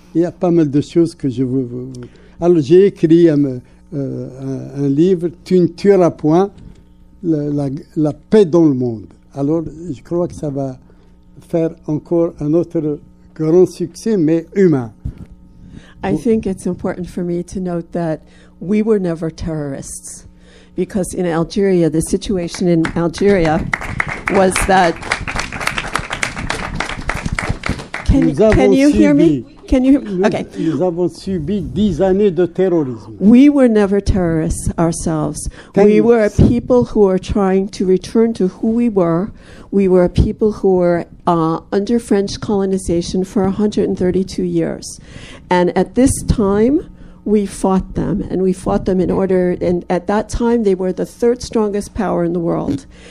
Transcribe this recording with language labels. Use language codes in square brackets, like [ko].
[fr] Il y a pas mal de choses que je veux. Alors, j'ai écrit un livre, Tu ne tueras point, la paix dans le monde. Alors, je crois que ça va faire encore un autre grand succès, mais humain. [en] I think it's important for me to note that we were never terrorists, because in Algeria, the situation in Algeria was that... Can you hear me? Can you hear me? Okay. [fr] Nous avons subi 10 années de terrorisme. [en] We were never terrorists ourselves. We were a people who were trying to return to who we were. We were a people who were under French colonization for 132 years. And at this time... We fought them, and we fought them in order, and at that time, they were the third strongest power in the world.